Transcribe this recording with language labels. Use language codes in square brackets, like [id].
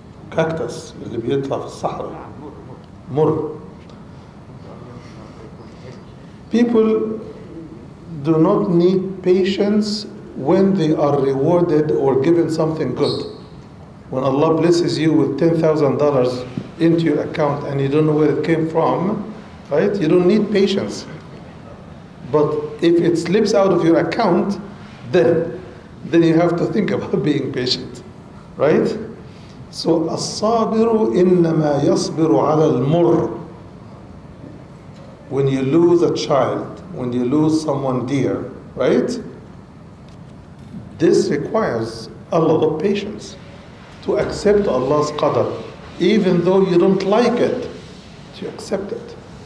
[ar] Cactus, اللي بيطلع في الصحراء. Mur. [en] People do not need patience when they are rewarded or given something good. When Allah blesses you with $10,000 into your account and you don't know where it came from, right? You don't need patience. But if it slips out of your account, then you have to think about being patient, right? [ar] So الصابر إنما يصبر على المر. [en] When you lose a child, when you lose someone dear, right? This requires a lot of patience to accept Allah's qadr, even though you don't like it, to accept it.